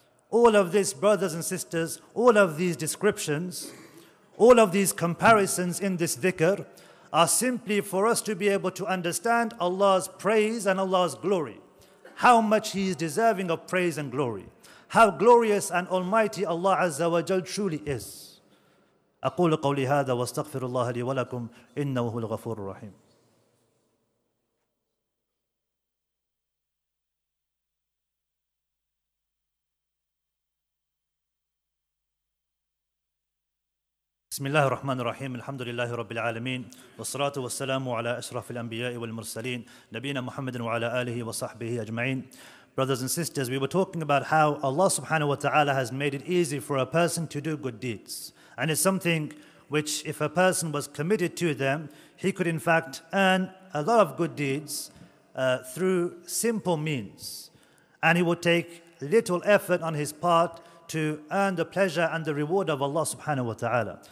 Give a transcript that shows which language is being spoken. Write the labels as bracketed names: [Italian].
[English] All of this, brothers and sisters, all of these descriptions, all of these comparisons in this dhikr, are simply for us to be able to understand Allah's praise and Allah's glory. How much He is deserving of praise and glory. How glorious and almighty Allah Azza wa Jal truly is. [Arabic] أقول قولي هذا واستغفر الله لي ولكم إنه الغفور الرحيم بسم الله الرحمن الرحيم الحمد لله رب العالمين والصلاة والسلام على أشرف الأنبياء والمرسلين نبينا محمد وعلى آله وصحبه أجمعين [English] Brothers and sisters, we were talking about how Allah subhanahu wa ta'ala has made it easy for a person to do good deeds. And it's something which if a person was committed to them, he could in fact earn a lot of good deeds through simple means. And he would take little effort on his part to earn the pleasure and the reward of Allah subhanahu wa ta'ala.